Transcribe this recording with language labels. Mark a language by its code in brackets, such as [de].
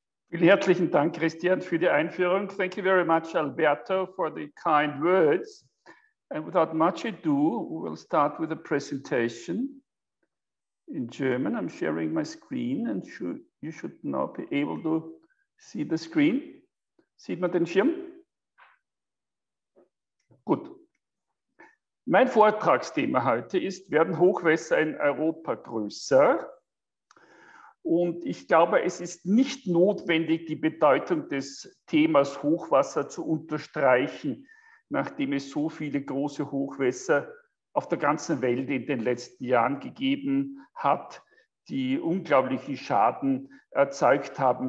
[de] Vielen herzlichen Dank, Christian, für die Einführung. [en] Thank you very much, Alberto, for the kind words. And without much ado, we will start with a presentation in German. I'm sharing my screen and you should now be able to see the screen. [de] Sieht man den Schirm? Gut. Mein Vortragsthema heute ist, werden Hochwässer in Europa größer? Und ich glaube, es ist nicht notwendig, die Bedeutung des Themas Hochwasser zu unterstreichen, nachdem es so viele große Hochwässer auf der ganzen Welt in den letzten Jahren gegeben hat, die unglaublichen Schaden erzeugt haben.